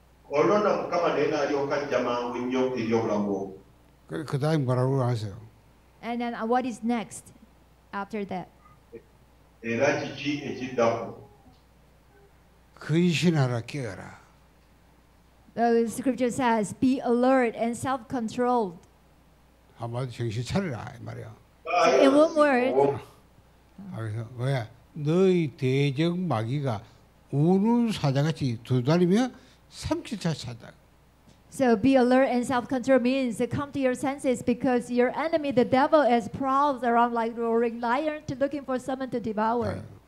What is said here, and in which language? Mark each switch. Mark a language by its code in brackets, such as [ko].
[en] And then what is next? After that, 에라지치 에지다고. [ko] 근신하라 깨어라. [en] The scripture says, "Be alert and self-controlled." [ko] 한마디 정신 차려라 이 말이야. [en] In one word, [ko] 그래서 왜 너희 대적 마귀가 우는 사자같이 두드리며 삼킬자 찾아. [en] So be alert and self-control means to come to your senses because your enemy, the devil, is prowls around like roaring lion to looking for someone to devour.